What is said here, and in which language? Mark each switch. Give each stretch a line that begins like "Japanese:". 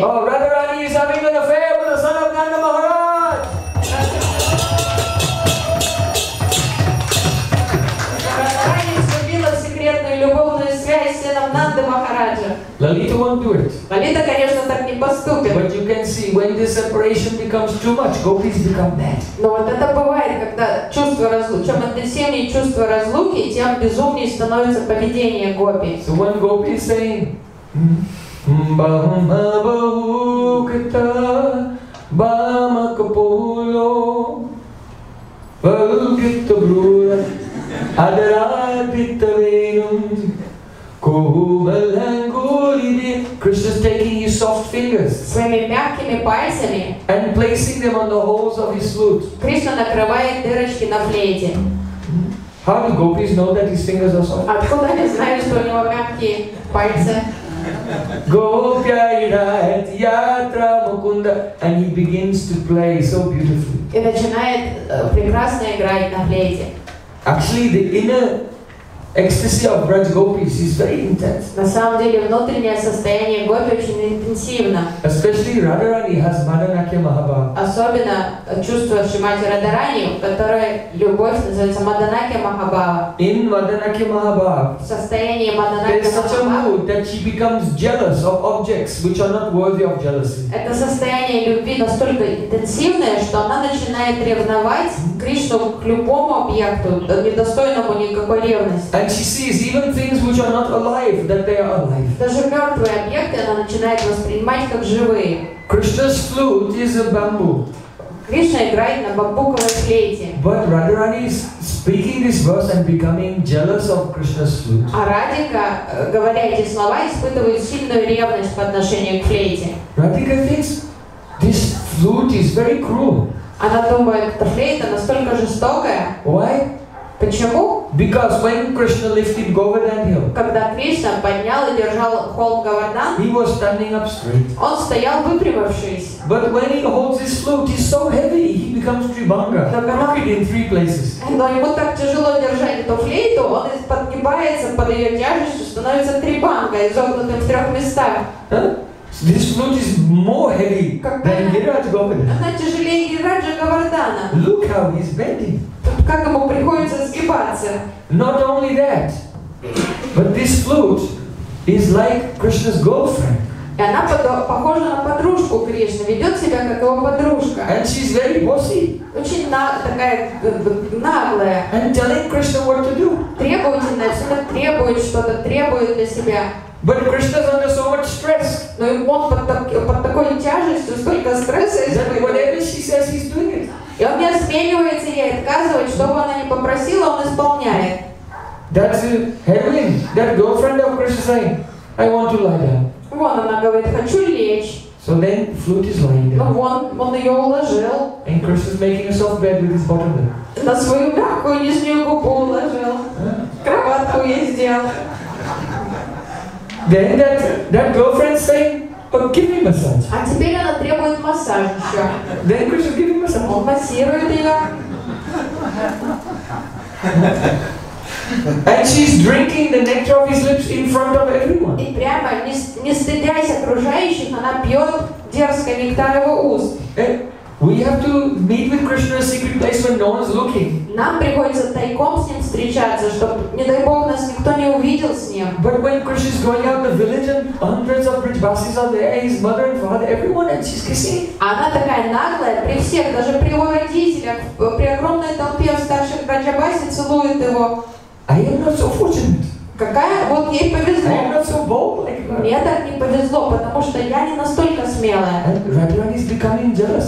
English: Oh, Radharani is having an affair with the son of Nanda Maharaj.
Russian: Радхарани вступила в секретную любовную связь с сыном Нанды Махараджа.
English: Lalita won't do it.
Russian: Lalita, конечно, так не поступит.
English: But you can see when this separation becomes too much, gopis become mad.
Russian: Но вот это бывает, когда чувство разлуки, чем интенсивнее чувство разлуки, тем безумнее становится поведение гопи.
English: So when gopi is saying, Bhama Bhukta Bhama Kapulo Bhukta Brura Adarapita Venum Kuhumalangulide. Krishna's taking his soft fingers
Russian: своими мягкими пальцами
English: and placing them on the holes of his flute.
Russian: Krishna накрывает дырочки на флейте.
English: How do gopis know that his fingers are soft?
Russian: Откуда они знают, что у него мягкие пальцы?
English: Gopya irat yatra mukunda, and he begins to play so beautifully.
Russian: И начинает прекрасно играть на флейте.
English: Actually, the inner ecstasy of Braj gopis is very intense.
Russian: На самом деле внутреннее состояние гопи очень интенсивно.
English: Especially Radharani has Madanakya Mahabhava.
Russian: Особенно чувство Шримати Радхарани, которая любовь называется Madanakya Mahabhava.
English: In Madanakya Mahabhava.
Russian: В состоянии Madanakya Mahabhava.
English: There is such a mood that she becomes jealous of objects which are not worthy of jealousy.
Russian: Это состояние любви настолько интенсивное, что она начинает ревновать Кришну к любому объекту, недостойному никакой ревности.
English: And And she sees even things which are not alive, that they are alive.
Russian: Даже мертвые объекты она начинает воспринимать как живые.
English: Krishna's flute is a bamboo.
Russian: Кришна играет на бамбуковой флейте.
English: But Radharani is speaking this verse and becoming jealous of Krishna's flute.
Russian: А Радика, говоря эти слова, испытывает сильную ревность по отношению к флейте.
English: Radhika thinks this flute is very cruel.
Russian: Она думает, эта флейта настолько жестокая.
English: Why?
Russian: Почему?
English: Because when Krishna lifted Govardhan Hill,
Russian: когда Кришна поднял и держал холм Говардан,
English: he was standing up straight.
Russian: Он стоял выпрямившись.
English: But when he holds his flute, he's so heavy, he becomes Tribhanga, crooked in three places.
Russian: Но ему так тяжело держать эту флейту, он подгибается под ее тяжестью, становится Трибанга, изогнутым в трех местах.
English: This flute is more heavy than Giriraj Govardhan.
Russian: Она тяжелее Гирираджа Говардана.
English: Look how he's bending.
Russian: Как ему приходится сгибаться?
English: Not only that, but this flute is like Krishna's girlfriend.
Russian: И она похожа на подружку Кришны, ведет себя как его подружка.
English: And she's very bossy.
Russian: Очень такая наглая.
English: And telling Krishna what to do.
Russian: Требовательная, что-то требует, что-то требует для себя.
English: But Krishna's under so much stress.
Russian: Но он под такой тяжестью, столько стресса испытывает.
English: That whatever she says, he's doing it.
Russian: И он не осмеливается ей отказывать, что бы она ни попросила, он исполняет.
English: That's heaven. That girlfriend of Krishna saying, I want to lie down.
Russian: Вон она говорит, хочу лечь.
English: So then flute is lying down.
Russian: Вон ее уложил.
English: And Krishna's making herself bed with his bottom bed.
Russian: На свою мягкую нижнюю губу уложил. Кроватку ей сделал.
English: Then that girlfriend saying, but give me massage.
Russian: А теперь она требует массаж еще.
English: Then Krishna give me massage.
Russian: Он массирует ее.
English: And she's drinking the nectar of his lips in front of everyone.
Russian: И прямо не стыдясь окружающих, она пьет дерзко нектар его уст.
English: We have to meet with Krishna in a secret place when no one's looking.
Russian: Нам приходится тайком с ним встречаться, чтобы, не дай бог, нас никто не увидел с ним.
English: But when Krishna is going out in the village and hundreds of Brijbasis are there, his mother and father, everyone, and she's kissing.
Russian: Она такая наглая, при всех, даже при его родителях, при огромной толпе старших Брайджабаси целует его.
English: I am not so fortunate.
Russian: Какая вот ей повезло.
English: I am not so bold like
Russian: мне так не повезло, потому что я не настолько смелая.
English: Radharani is becoming jealous.